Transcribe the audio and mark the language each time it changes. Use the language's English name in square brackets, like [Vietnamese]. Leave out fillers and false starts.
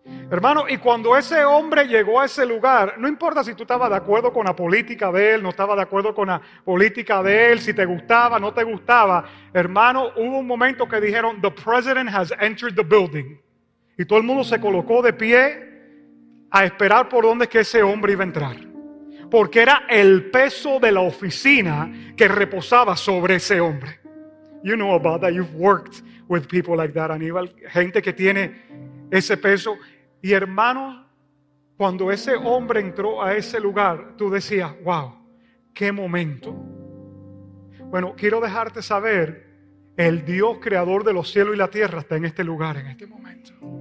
[Spanish] Hermano, y cuando ese hombre llegó a ese lugar, no importa si tú estabas de acuerdo con la política de él, no estabas de acuerdo con la política de él, si te gustaba, no te gustaba, hermano, hubo un momento que dijeron, [English] "The president has entered the building." [Spanish] Y todo el mundo se colocó de pie a esperar por dónde es que ese hombre iba a entrar. Porque era el peso de la oficina que reposaba sobre ese hombre. [English] You know about that. You've worked with people like that, Aníbal. [Spanish] Gente que tiene ese peso. Y hermano, cuando ese hombre entró a ese lugar, tú decías, wow, qué momento. Bueno, quiero dejarte saber, el Dios creador de los cielos y la tierra está en este lugar, en este momento.